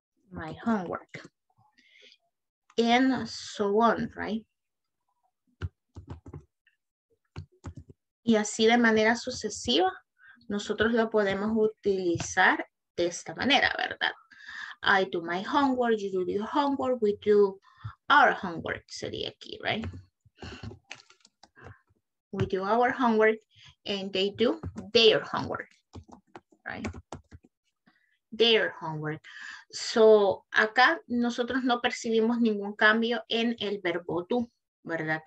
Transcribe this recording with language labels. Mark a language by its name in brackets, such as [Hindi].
[English] My homework. And so on, right? [Spanish] Y así de manera sucesiva, nosotros lo podemos utilizar de esta manera, ¿verdad? [English] I do my homework, you do your homework, we do our homework, [Spanish] sería aquí, [English] right? We do our homework and they do their homework, right? Their homework. [Spanish] So, acá nosotros no percibimos ningún cambio en el verbo do, ¿verdad?